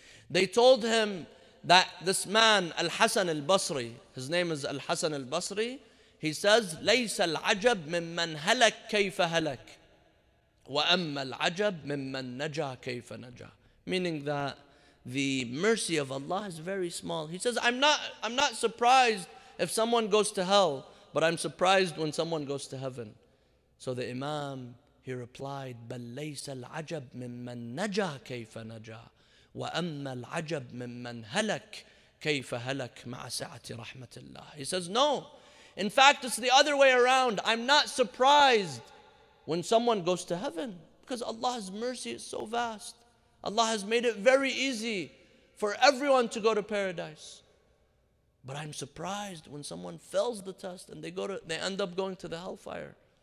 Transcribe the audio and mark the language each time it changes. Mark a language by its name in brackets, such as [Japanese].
[English] They told him that this man, Al-Hasan al-Basri, his name is Al-Hasan al-Basri, he says, [Arabic] لَيْسَ الْعَجَبْ مِمَّنْ هَلَكْ كَيْفَ هَلَكْ وَأَمَّا الْعَجَبْ مِمَّنْ نَجَى كَيْفَ نَجَى. [English] Meaning that the mercy of Allah is very small. He says, I'm not surprised if someone goes to hell, but I'm surprised when someone goes to heaven. So the Imam, he replied, [Arabic] بَلْ لَيْسَ الْعَجَبْ مِمَّنْ نَجَى كَيْفَ نَجَى وَأَمَّا الْعَجَبْ مِمَّنْ هَلَكْ كَيْفَ هَلَكْ مَعَ سَعَةِ رَحْمَةِ اللَّهِ. [English] He says, no. In fact, it's the other way around. I'm not surprised when someone goes to heaven because Allah's mercy is so vast. Allah has made it very easy for everyone to go to paradise. But I'm surprised when someone fails the test and they end up going to the hellfire.